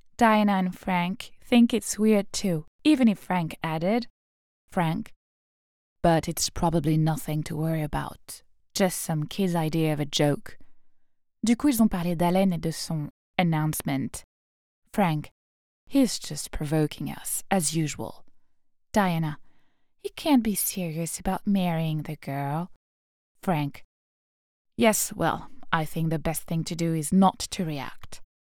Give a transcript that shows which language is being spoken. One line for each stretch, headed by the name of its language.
English: Diana and Frank think it's weird too, even if Frank added, Frank, but it's probably nothing to worry about. Just some kid's idea of a joke.
French: Du coup, ils ont parlé d'Alain et de son announcement.
English: Frank, he's just provoking us, as usual. Diana, he can't be serious about marrying the girl. Frank, yes, well, I think the best thing to do is not to react.